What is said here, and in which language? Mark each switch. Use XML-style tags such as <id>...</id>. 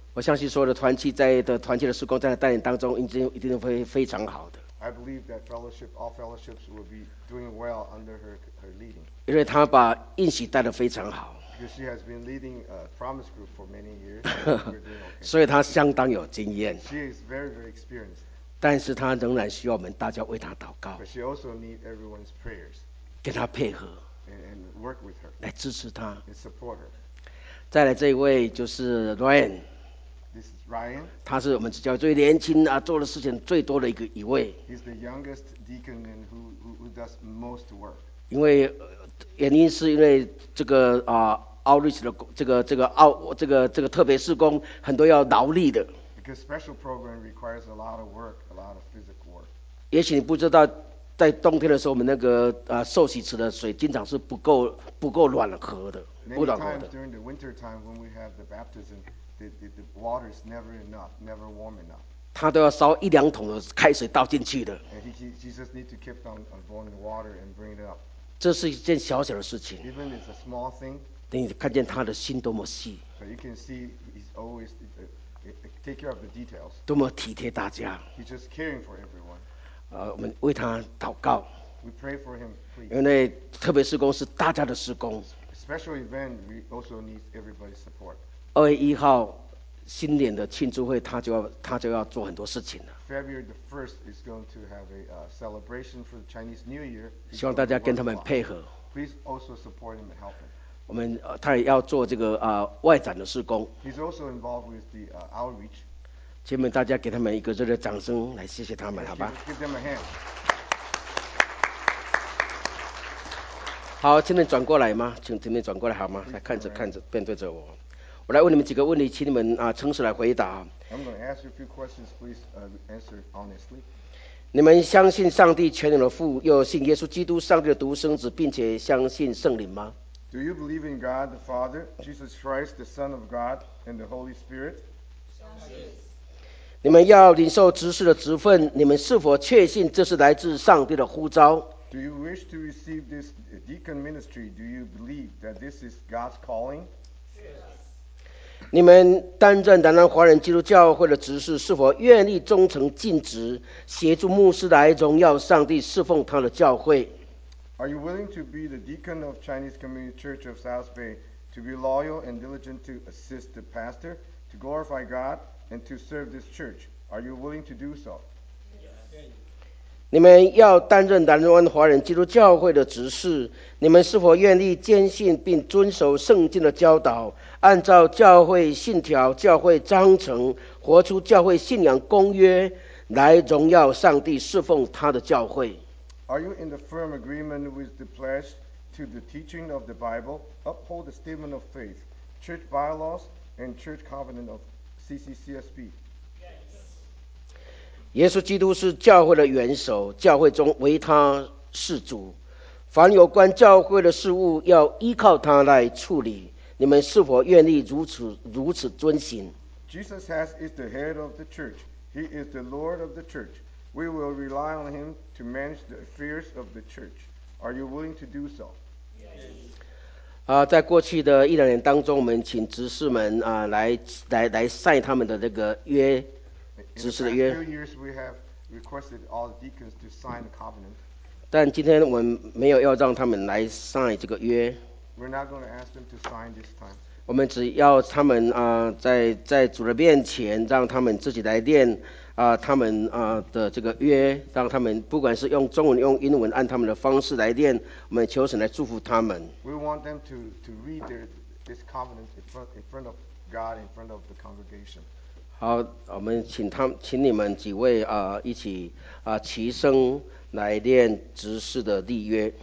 <zh>我相信所有的团契在的团契的事工，在带领当中，一定会非常好的。</zh> <en>I believe that fellowship, all fellowships will be doing well under her leading.</en> <zh>因为她把应许带得非常好。</zh> <en>Because she has been leading a promise group for many years.</en> <zh>所以她相当有经验。</zh> <en>She is very, very experienced.</en> <zh>但是她仍然需要我们大家为她祷告。</zh> <en>But she also needs everyone's prayers.</en> <zh>跟她配合。</zh> <en>And work with her.</en> <zh>来支持她。</zh> <en>And support her.</en> <zh>再来这一位就是 Ryan。</zh> <en>This is Ryan.</en> <zh>他是我们教会最年轻啊，做的事情最多的一个一位。</zh> <en>He's the youngest deacon and who does most work.</en> <zh>因为原因是因为这个啊 outreach 的这个特别事工很多要劳力的。</zh> <en>Because special program requires a lot of work, a lot of physical work.</en> <zh>也许你不知道，在冬天的时候，我们那个啊受洗池的水经常是不够暖和的，不暖和的。</zh> <en>Many times during the winter time when we have the baptism. The water is never enough, never warm enough.</en> <zh>他都要烧一两桶的开水倒进去的。</zh> <en>And he just need to keep on boiling the water and bring it up.</en> <zh>这是一件小小的事情。</zh> <en>Even if it's a small thing.</en> <zh>等你看见他的心多么细。</zh> <en>But you can see he's always take care of the details.</en> <zh>多么体贴大家。</zh> <en>He's just caring for everyone.</en> <zh>我们为他祷告。</zh> <en>We pray for him, please.</en> <zh>因为特别事工是大家的事工。</zh> <en>Special event, we also need everybody's support.</en> <zh>二月一号新年的庆祝会，他就要做很多事情了。</zh> <en>February the 1st is going to have a celebration for the Chinese New Year.</en> <zh>希望大家跟他们配合。</zh> <en>Please also support him and help him.</en> <zh>我们他也要做这个外展的事工。</zh> <en>He's also involved with the outreach.</en> <zh>请问大家给他们一个热烈掌声来谢谢他们，好吧</zh> <en>？Give them a hand.</en> <zh>好，请你转过来吗？请你转过来好吗？来看着看着，面对着我。我来问你们几个问题，请你们啊诚实来回答。</zh> <en>I'm going to ask you a few questions, please answer honestly.</en> <zh>你们相信上帝全能的父，又信耶稣基督上帝的独生子，并且相信圣灵吗</zh> <en>？Do you believe in God the Father, Jesus Christ, the Son of God, and the Holy Spirit?</en> <zh>你们要领受执事的职分，你们是否确信这是来自上帝的呼召</zh> <en>？Do you wish to receive this deacon ministry? Do you believe that this is God's calling? Yes.</en> <zh>你们担任南南华人基督教会的执事，是否愿意忠诚尽职，协助牧师来荣耀上帝，侍奉他的教会</zh> <en>？Are you willing to be the deacon of Chinese Community Church of South Bay to be loyal and diligent to assist the pastor to glorify God and to serve this church? Are you willing to do so? Yes.</en> <zh>你们要担任南湾华人基督教会的执事，你们是否愿意坚信并遵守圣经的教导？按照教会信条、教会章程，活出教会信仰公约，来荣耀上帝，侍奉他的教会。</zh> <en>Are you in the firm agreement with the pledge to the teaching of the Bible, uphold the statement of faith, church bylaws, and church covenant of CCCSB? Yes.</en> <zh>耶稣基督是教会的元首，教会中唯他是主，凡有关教会的事务要依靠他来处理。你们是否愿意如此遵行</zh> <en>？Jesus has is the head of the church. He is the Lord of the church. We will rely on him to manage the affairs of the church. Are you willing to do so? Yes.</en> <zh>在过去的一两年当中，我们请执事们来晒他们的这个约，执事的约。</zh> <en>In the past few years, we have requested all the deacons to sign the covenant.</en> <zh>但今天我们没有要让他们来晒这个约。</zh> <en>We're not going to ask them to sign this time.</en> <zh>我们只要他们在主的面前，让他们自己来练他们的这个约，让他们不管是用中文用英文，按他们的方式来练。我们求神来祝福他们。</zh> <en>We want them to read this covenant in front of God, in front of the congregation.</en> <zh>好，我们请你们几位一起齐声来练执事的立约。</zh>